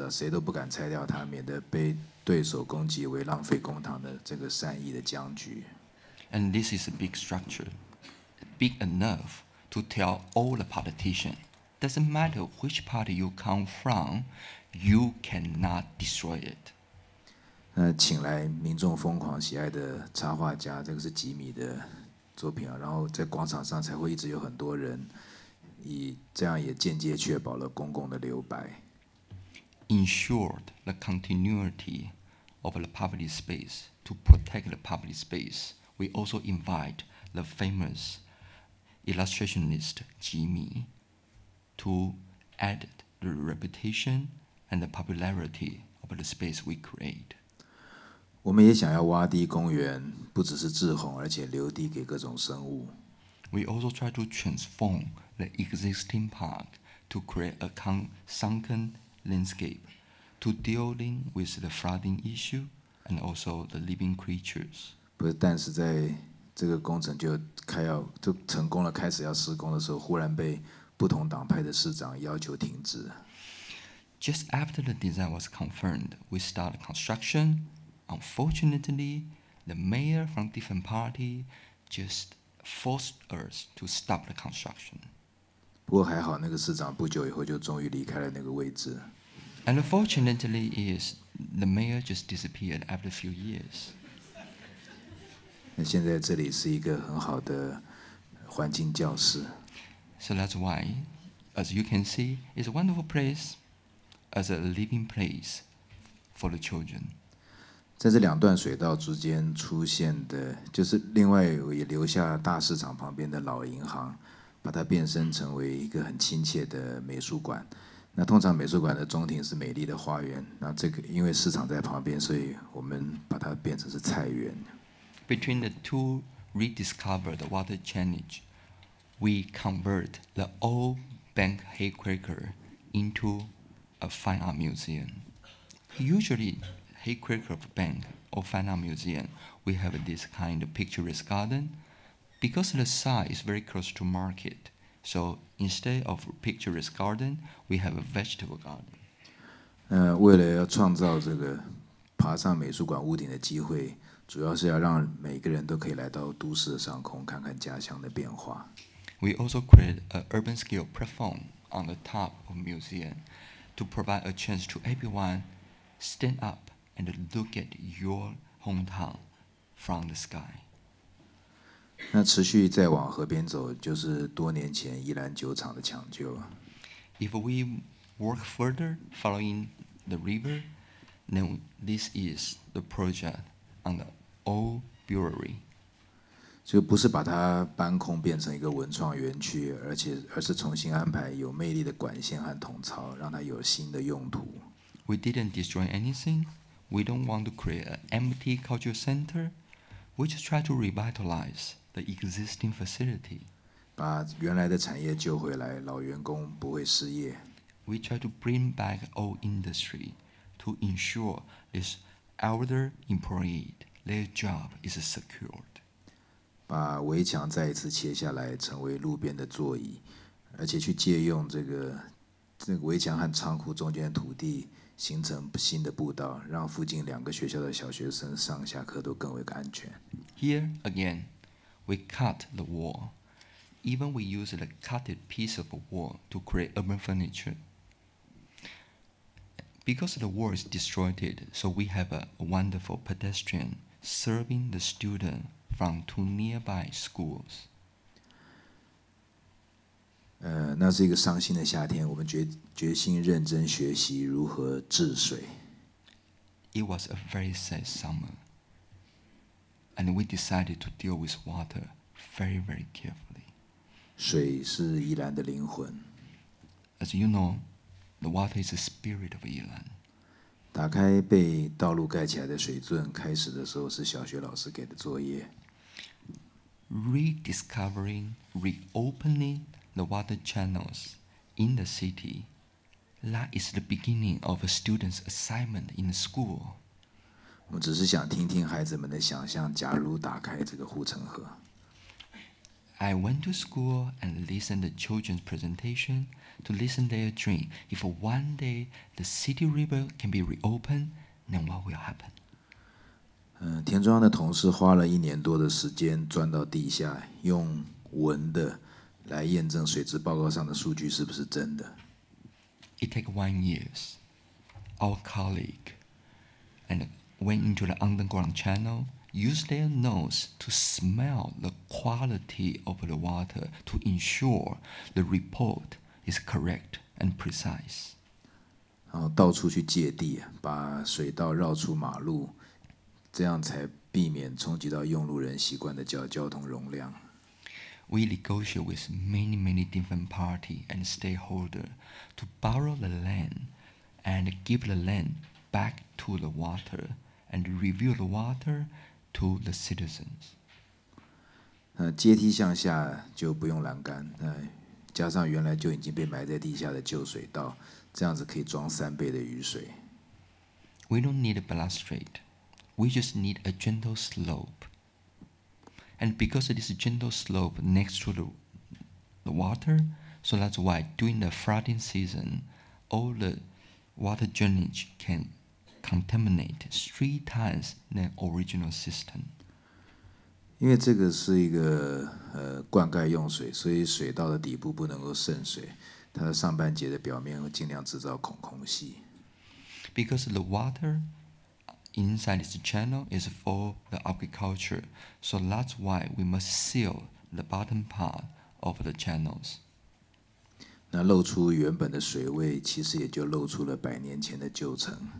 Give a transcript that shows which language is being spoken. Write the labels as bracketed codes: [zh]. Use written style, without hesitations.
[zh] 超这个放大的构造物，为的是它要够分量，才能够造成在地方上两党政治啊，谁都不敢拆掉它，免得被 [en] And this is a big structure, big enough to tell all the politicians, doesn't matter which party you come from, you cannot destroy it. [zh] 请来民众疯狂喜爱的插画家，这个是吉米的作品，然后在广场上才会一直有很多人，以这样也间接确保了公共的留白。 [en] Ensured the continuity of the public space, to protect the public space we also invite the famous illustrationist Ji Mi to add the reputation and the popularity of the space we create. [zh] 我们也想要挖地公园，不只是治洪，而且留地给各种生物。 [en] We also try to transform the existing park to create a sunken landscape to dealing with the flooding issue and also the living creatures. [zh] 不是，但是在这个工程就开要就成功了，开始要施工的时候，忽然被不同党派的市长要求停止。 [en] Just after the design was confirmed, we started construction. Unfortunately, the mayor from different party just forced us to stop the construction. [zh] 不过还好，那个市长不久以后就终于离开了那个位置。 [en] And unfortunately, is the mayor just disappeared after a few years. [zh] 那现在这里是一个很好的环境教室。 [en] So that's why, as you can see, it's a wonderful place as a living place for the children. [zh] 在这两段水道之间出现的，就是另外我也留下大市场旁边的老银行，把它变身成为一个很亲切的美术馆。那通常美术馆的中庭是美丽的花园，那这个因为市场在旁边，所以我们把它变成是菜园。 [en] Between the two rediscovered water channels, we convert the old bank headquarter into a fine art museum. Usually. Headquarter of bank or fine art museum, we have this kind of picturesque garden. Because the site is very close to market, so instead of picturesque garden, we have a vegetable garden. [zh] 为了要创造这个爬上美术馆屋顶的机会，主要是要让每个人都可以来到都市的上空，看看家乡的变化。 [en] We also create an urban scale platform on the top of museum to provide a chance to everyone stand up. And look at your hometown from the sky. [zh] 那持续再往河边走，就是多年前宜兰酒厂的抢救。 [en] If we work further following the river, then this is the project on the old brewery. [zh] 就不是把它搬空变成一个文创园区，而是重新安排有魅力的管线和通槽，让它有新的用途。 [en] We didn't destroy anything. We don't want to create an empty cultural center. We just try to revitalize the existing facility. [zh] 把原来的产业救回来，老员工不会失业。 [en] We try to bring back old industry to ensure this elder employee their job is secured. [zh] 把围墙再一次切下来，成为路边的座椅，而且去借用这个围墙和仓库中间的土地。形成新的步道，让附近两个学校的小学生上下课都更为安全。 [en] Here again, we cut the wall. Even we use the cutted piece of a wall to create urban furniture. Because the wall is destroyed, so we have a wonderful pedestrian serving the student from two nearby schools. [zh] 那是一个伤心的夏天，我们决心认真学习如何治水。 [en] It was a very sad summer, and we decided to deal with water very, very carefully. [zh] 水是宜兰的灵魂。 [en] As you know, the water is the spirit of Yilan. [zh] 打开被道路盖起来的水圳，开始的时候是小学老师给的作业。 [en] Rediscovering, reopening the water channels in the city. That is the beginning of a student's assignment in the school. [zh] 我们只是想听听孩子们的想象，假如打开这个护城河。 [en] I went to school and listened to children's presentation to listen their dream. If one day the city river can be reopened, then what will happen? [zh] 田庄的同事花了一年多的时间钻到地下，用闻的来验证水质报告上的数据是不是真的。 [en] It took 1 year. Our colleague and went into the underground channel, used their nose to smell the quality of the water to ensure the report is correct and precise. [zh] 然后到处去借地，把水道绕出马路，这样才避免冲击到用路人习惯的交通容量。 [en] We negotiate with many, many different parties and stakeholders to borrow the land and give the land back to the water and review the water to the citizens. [zh] 阶梯向下就不用栏杆，加上原来就已经被埋在地下的旧水道，这样子可以装三倍的雨水。 [en] We don't need a balustrade. We just need a gentle slope. And because it is a gentle slope next to the water, so that's why during the flooding season, all the water drainage can contaminate three times the original system. [zh] 因为这个是一个灌溉用水，所以水道的底部不能够渗水，它的上半截的表面会尽量制造空隙。 [en] Because the water. Inside this channel is for the agriculture, so that's why we must seal the bottom part of the channels. [zh] 那露出原本的水位，其实也就露出了百年前的旧城。